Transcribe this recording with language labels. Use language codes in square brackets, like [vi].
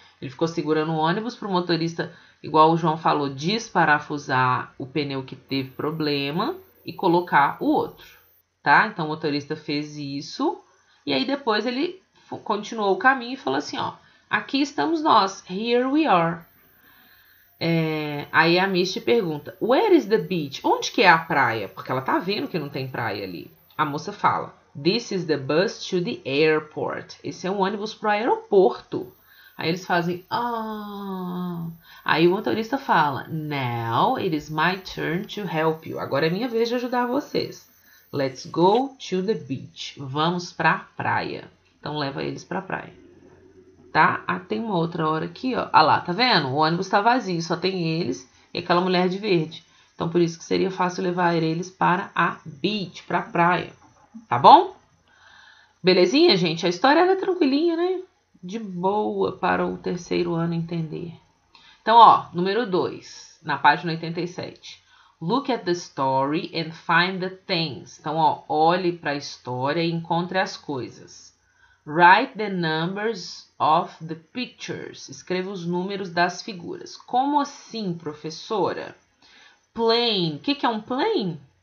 [pt] Ele ficou segurando o ônibus para o motorista, igual o João falou, desparafusar o pneu que teve problema e colocar o outro, tá? Então o motorista fez isso e aí depois ele continuou o caminho e falou assim, ó, aqui estamos nós, [en] here we are. [pt] Aí a Misty pergunta, [en] where is the beach? [pt] Onde que é a praia? Porque ela tá vendo que não tem praia ali. A moça fala, [en] this is the bus to the airport. [pt] Esse é um ônibus pro aeroporto. Aí eles fazem, ah. Aí o motorista fala, [en] now it is my turn to help you. [pt] Agora é minha vez de ajudar vocês. [en] Let's go to the beach. [pt] Vamos pra praia. Então leva eles pra praia. Tá? Ah, tem uma outra hora aqui, ó. Ah lá, tá vendo? O ônibus tá vazio, só tem eles e aquela mulher de verde. Então, por isso que seria fácil levar eles para a beach, pra praia. Tá bom? Belezinha, gente? A história era tranquilinha, né? De boa para o terceiro ano entender. Então, ó, número 2, na página 87. [en] Look at the story and find the things. [pt] Então, ó, olhe para a história e encontre as coisas. [en] Write the numbers of the pictures. [pt] Escreva os números das figuras. Como assim, professora? Plane. O que, que é um plane?